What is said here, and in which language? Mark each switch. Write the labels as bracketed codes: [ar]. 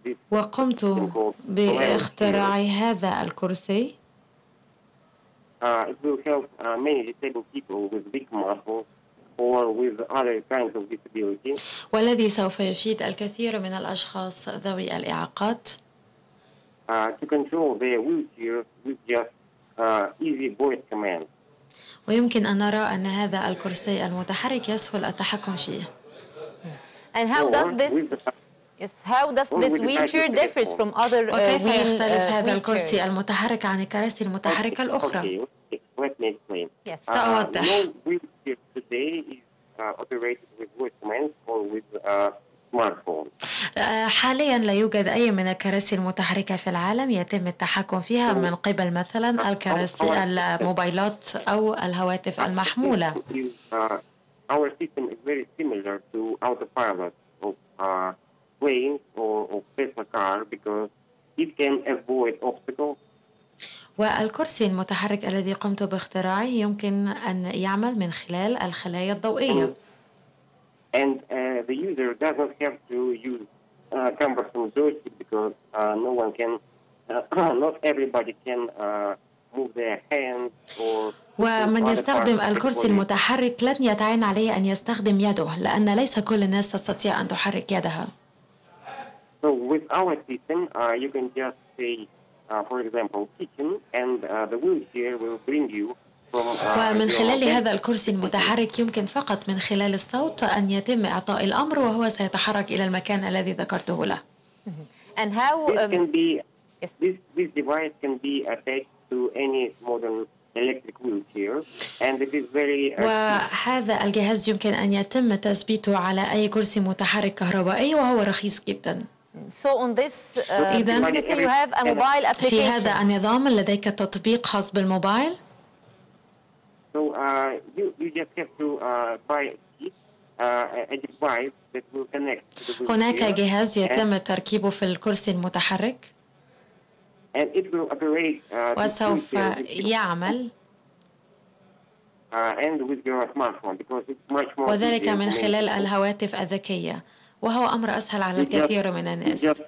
[ar] وقمت باختراع هذا الكرسي. [en] It will help many disabled people with big muscles or with other kinds of disability. [ar] والذي سوف يفيد الكثير من الأشخاص ذوي الإعاقات. [en] To control their wheelchair with just easy voice commands. [ar] ويمكن أن نرى أن هذا الكرسي المتحرك يسهل التحكم فيه. [en] And how does this? Yes. How does this wheelchair differ from other wheelchairs? [ar] وكيف يختلف هذا الكرسي المتحرك عن الكراسي المتحركة الأخرى؟ [en] Okay. Let me explain. Yes. No wheelchair today is operated with voice commands or with with a smartphone. [ar] حاليا لا يوجد أي من الكراسي المتحركة في العالم يتم التحكم فيها من قبل مثلا الكراسي الموبايلات أو الهواتف المحمولة. [en] Our system is very similar to autopilot of planes or of Tesla car because it can avoid obstacles. [ar] والكرسي المتحرك الذي قمت باختراعه يمكن أن يعمل من خلال الخلايا الضوئية. [en] And the user doesn't have to use cumbersome joystick because no one can, not everybody can move their hands or. [ar] ومن يستخدم الكرسي المتحرك لن يتعين عليه أن يستخدم يده لأن ليس كل الناس تستطيع أن تحرك يدها. [en] So with our system, you can just say, for example, kitchen, and the wheelchair will bring you. [ar] ومن خلال هذا الكرسي المتحرك يمكن فقط من خلال الصوت أن يتم إعطاء الأمر وهو سيتحرك إلى المكان الذي ذكرته له. [en] And how this device can be attached to any modern electric wheelchair, and it is very. [ar] وهذا الجهاز يمكن أن يتم تثبيته على أي كرسي متحرك كهربائي وهو رخيص جداً. [en] So on this system, you have a mobile application. [ar] في هذا النظام لديك تطبيق خاص بالموبايل. [en] So you just have to buy a device that will connect to the wheelchair. [ar] هناك جهاز يتم تركيبه في الكرسي المتحرك. [en] And it will operate. [ar] وسوف يعمل. [en] And with your smartphone, because it's much more. [ar] وذلك من خلال الهواتف الذكية. وهو أمر أسهل على الكثير من الناس.